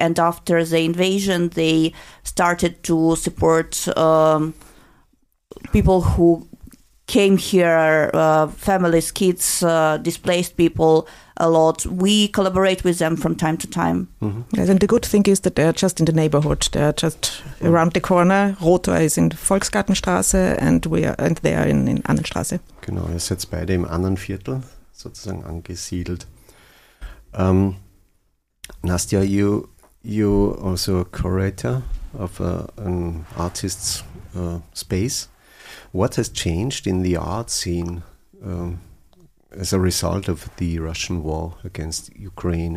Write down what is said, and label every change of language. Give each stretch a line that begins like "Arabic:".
English: And after the invasion, they started to support people who came here, families, kids, displaced people a lot. We collaborate with them from time to time. Mm-hmm. Yes, and the good thing is that they're just in the neighborhood. They're just around the corner. Rotor is in Volksgartenstraße and we are, and they are in Annenstraße.
German: Genau, ihr seid beide im anderen Viertel sozusagen angesiedelt.
English: Nastya, you also a curator of an artist's space. What has changed in the art scene as a result of the Russian war against Ukraine?